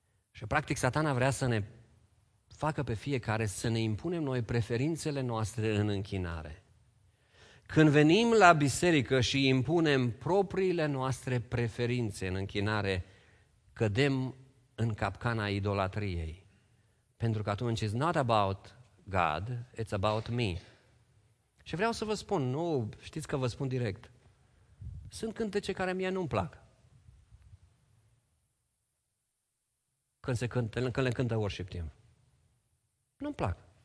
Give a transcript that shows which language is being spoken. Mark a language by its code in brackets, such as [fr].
[ro] Și practic satana vrea să ne facă pe fiecare să ne impunem noi preferințele noastre în închinare. Când venim la biserică și impunem propriile noastre preferințe în închinare, cădem în capcana idolatriei. Pentru că atunci [en] it's not about God, it's about me. [ro] Și vreau să vă spun, nu știți că vă spun direct, sunt cântece care mie nu-mi plac. Când se cântă, când le cântă worship team. Nu-mi plac.